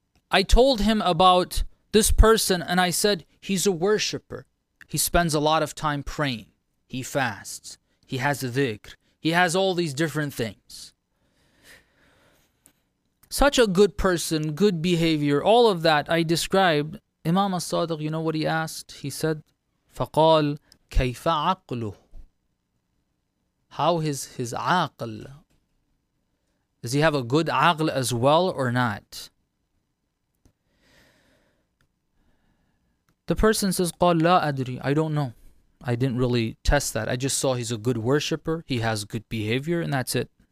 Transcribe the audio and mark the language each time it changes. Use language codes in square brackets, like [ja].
[en] I told him about this person, and I said, he's a worshipper. He spends a lot of time praying. He fasts. He has a dhikr. He has all these different things. Such a good person, good behavior, all of that I described. Imam As-Sadiq, you know what he asked? He said, [ar] فَقَالْ كَيْفَ عَقْلُهُ. [en] How is his aql? Does he have a good aql as well or not? The person says, [ar] قَالْ لَا أَدْرِي. [en] I don't know. I didn't really test that. I just saw he's a good worshipper. He has good behavior and that's it.